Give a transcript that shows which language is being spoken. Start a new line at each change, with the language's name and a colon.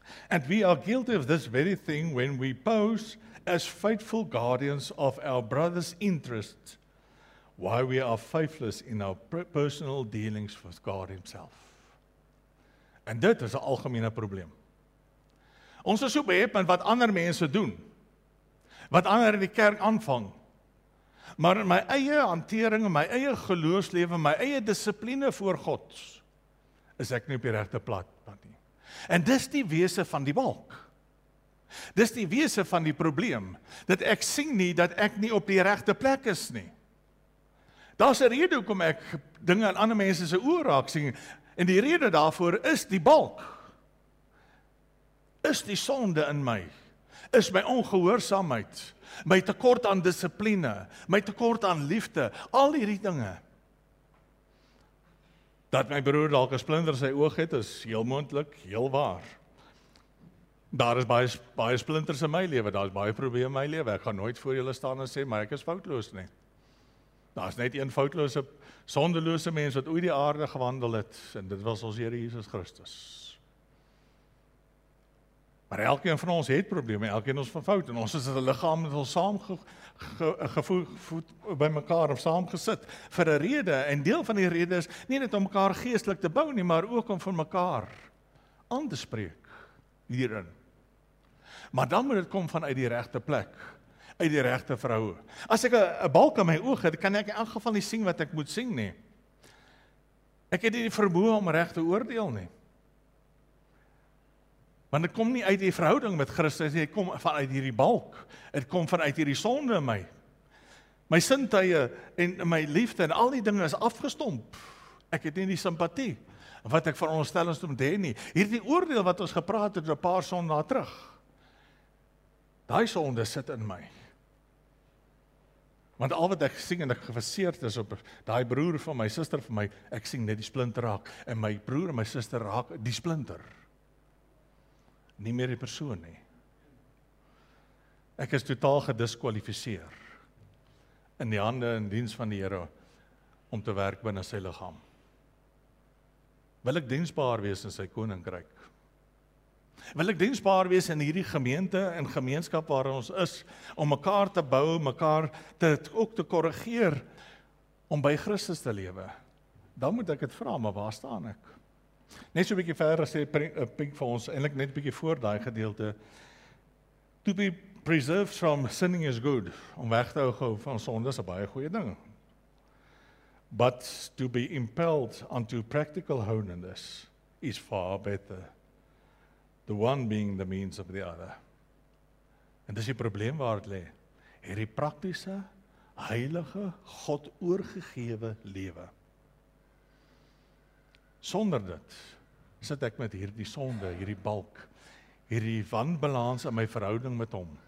English: And we are guilty of this very thing when we pose as faithful guardians of our brother's interests, while we are faithless in our personal dealings with God himself.
Afrikaans: En dit is 'n algemene probleem. Ons is so behep met wat ander mense doen, wat ander in die kerk aanvang, maar in my eie hantering, in my eie geloofslewe, my eie dissipline voor God, is ek nie op die regte plat nie. En dis die wese van die balk. Dis die wese van die probleem, dat ek sien nie dat ek nie op die regte plek is nie. Daar's 'n rede hoekom ek dinge aan ander mense se oë raak sien, en die rede daarvoor is die balk. Is die sonde in my? Is my ongehoorsaamheid, my tekort aan dissipline, my tekort aan liefde, al hierdie dinge. Dat my broer dalk 'n splinter in sy oog het, is heel moontlik, heel waar. Daar is baie splinters in my lewe, daar is baie probleme in my lewe. Ek gaan nooit voor julle staan en sê, maar ek is foutloos nie. Daar is net een foutlose, sondelose mens wat ooit die aarde gewandel het, en dit was ons Here Jesus Christus. Maar elkeen van ons het probleme, elkeen ons van fout, en ons is as 'n liggaam met ons saamgevoeg by mekaar of saamgesit vir 'n rede, en deel van die rede is nie net om mekaar geestelik te bou nie, maar ook om vir mekaar aan te spreek hierin. Maar dan moet dit kom vanuit die regte plek, uit die regte vroue. As ek 'n balk in my oog het, kan ek in elk geval nie sien wat ek moet sien nie. Ek het nie die vermoë om reg te oordeel nie. Want dit kom nie uit die verhouding met Christus nie, dit kom vanuit hierdie balk. Dit kom vanuit hierdie sonde in my. My sintuie en my liefde en al die dinge is afgestomp. Ek het nie die simpatie wat ek veronderstel is om te hê nie. Hierdie oordeel wat ons gepraat het 'n paar sondae terug. Daai sonde sit in my. Want al wat ek sien en ek geverseerd is op daai broer van my suster van my, ek sien net die splinter raak en my broer en my suster raak die splinter. Nie meer die persoon nie. Ek is totaal gediskwalifiseer in die hande en diens van die Here om te werk binne sy liggaam. Wil ek diensbaar wees in sy koninkryk? Wil ek diensbaar wees in hierdie gemeente en gemeenskap waar ons is, om mekaar te bou, mekaar ook te korrigeer, om by Christus te lewe? Dan moet ek het vra, maar waar staan ek? Net so 'n bietjie verder sê Pink vir ons, eintlik net 'n bietjie voor daai gedeelte, to be preserved from sinning is good, om weg te hou van sonde is 'n baie goeie ding.
English: But to be impelled unto practical holiness is far better. The one being the means of the other.
Afrikaans: En dis die probleem waar dit lê. Hierdie praktiese, heilige, God oorgegewe lewe. Sonder dit sit ek met hierdie sonde, hierdie balk, hierdie wanbalans in my verhouding met hom.